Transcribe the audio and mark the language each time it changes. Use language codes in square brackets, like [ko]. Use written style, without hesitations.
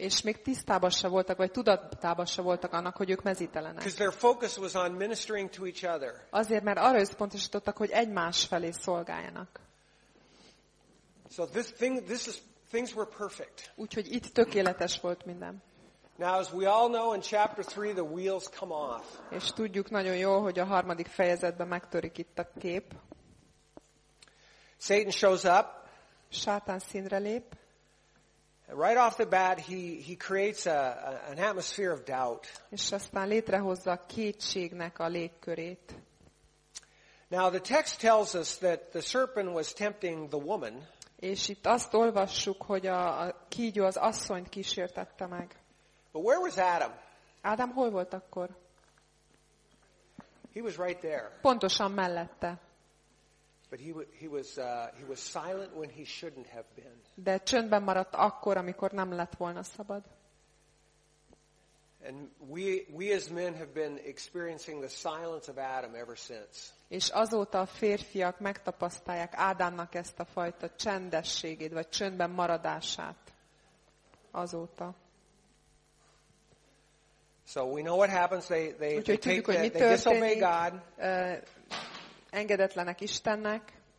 [hu] És még tisztában se voltak, vagy tudatában se voltak annak, hogy ők mezítelenek. [en] Because their focus was on ministering to each other. [hu] Azért, mert arra összpontosítottak, hogy egymás felé szolgáljanak. [en] So things were perfect. [hu] Úgyhogy itt tökéletes volt minden. [en] Now, as we all know, in chapter 3, the wheels come off. [hu] És tudjuk nagyon jól, hogy a harmadik fejezetben megtörik itt a kép. [en] Satan shows up. [hu] Sátán színre lép. [en] Right off the bat, he creates an atmosphere of doubt. [hu] És aztán létrehozza a kétségnek a légkörét. [en] Now the text tells us that the serpent was tempting the woman. [hu] És itt azt olvassuk, hogy a kígyó az asszonyt kísértette meg. [en] But where was Adam? [hu] Adam hol volt akkor? [en] He was right there. [hu] Pontosan mellette. [en] But he was silent when he shouldn't have been. [hu] De csöndben maradt akkor, amikor nem lett volna szabad. [en] And we as men have been experiencing the silence of Adam ever since. [hu] És azóta a férfiak megtapasztalják Ádámnak ezt a fajta csendességét vagy csöndben maradását. Azóta. [en] So we know what happens. They disobey God. [hu] Engedetlenek Istennek.